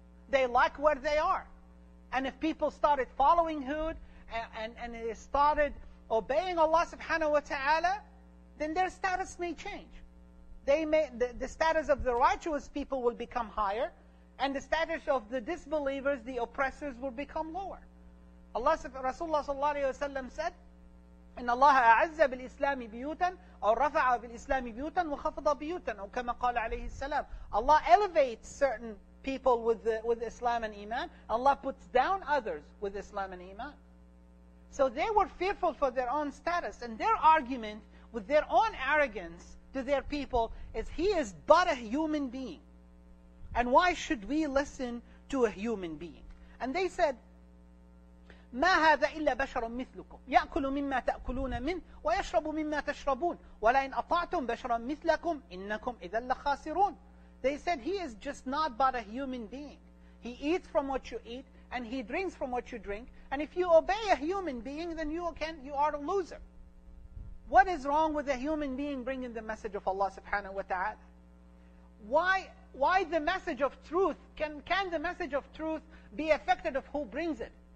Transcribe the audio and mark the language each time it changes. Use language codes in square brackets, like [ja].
[en] They like where they are. And if people started following Hud and they started obeying Allah subhanahu wa ta'ala, then their status may change. The status of the righteous people will become higher, and the status of the disbelievers, the oppressors, will become lower. [ar] Rasulullah sallallahu alayhi wa sallam said, إن الله أعز بالإسلام بيوتا أو رفع بالإسلام بيوتا وخفض بيوتا أو كما قال عليه السلام. [en] Allah elevates certain people with Islam and Iman. Allah puts down others with Islam and Iman. So they were fearful for their own status, and their argument with their own arrogance to their people is, he is but a human being, and why should we listen to a human being? And they said, [ar] ما هذا إلا بشر مثلكم يأكل مما تأكلون منه ويشرب مما تشربون ولئن أطعتم بشرا مثلكم إنكم إذا لخاسرون. [en] They said, he is just not but a human being. He eats from what you eat, and he drinks from what you drink, and if you obey a human being, then you are a loser. What is wrong with a human being bringing the message of Allah subhanahu wa ta'ala? Why the message of truth, can the message of truth be affected of who brings it?